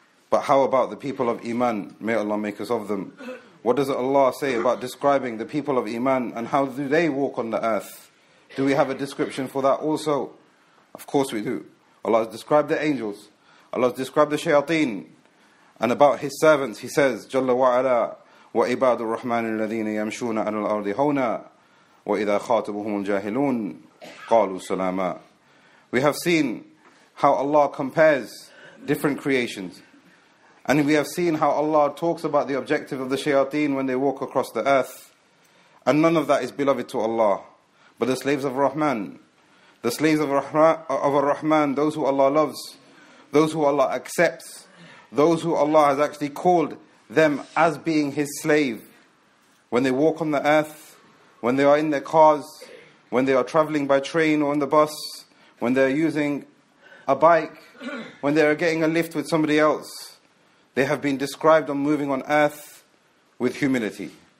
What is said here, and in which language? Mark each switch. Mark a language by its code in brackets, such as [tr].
[en] But how about the people of Iman? May Allah make us of them. What does Allah say about describing the people of Iman, and how do they walk on the earth? Do we have a description for that also? Of course we do. Allah has described the angels. Allah has described the shayateen. And about His servants, He says, [ar] جَلَّ وَعَلَىٰ وَعِبَادُ الرَّحْمَنِ الَّذِينَ يَمْشُونَ عَلَى الْأَرْضِ هَوْنًا وَإِذَا خَاطَبُهُمُ الْجَاهِلُونَ قَالُوا سَلَامًا. [en] We have seen how Allah compares different creations. And we have seen how Allah talks about the objective of the shayateen when they walk across the earth. And none of that is beloved to Allah. But the slaves of Rahman, the slaves of Rahman, those who Allah loves, those who Allah accepts, those who Allah has actually called them as being His slave, when they walk on the earth, when they are in their cars, when they are traveling by train or on the bus, when they are using a bike, when they are getting a lift with somebody else, they have been described on moving on earth with humility.